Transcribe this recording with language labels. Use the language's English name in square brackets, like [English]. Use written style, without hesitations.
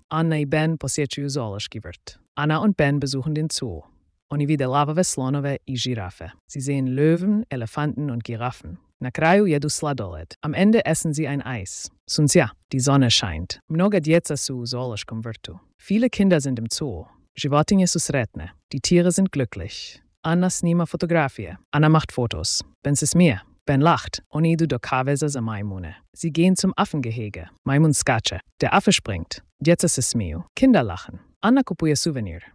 [Croatian] Anna i Ben posjećuju zoološki vrt. [German] Anna und Ben besuchen den Zoo. [Croatian] Oni vide lavove, slonove i žirafe. [German] Sie sehen Löwen, Elefanten und Giraffen. [Croatian] Na kraju jedu sladoled. [German] Am Ende essen sie ein Eis. Sunzia, die Sonne scheint. [Croatian] Mnoga djeca su u zoološkom vrtu. [German] Viele Kinder sind im Zoo. [Croatian] Životinje su sretne. [German] Die Tiere sind glücklich. [Croatian] Anna snima fotografije. [German] Anna macht Fotos. [Croatian] Ben se smije. [German] Ben lacht. [Croatian] Oni idu do kaveza za majmune. [German] Sie gehen zum Affengehege. [Croatian] Majmun skače. [German] Der Affe springt. [Croatian] Djeca se smiju. [German] Kinder lachen. [Croatian] Anna kupuje Souvenir.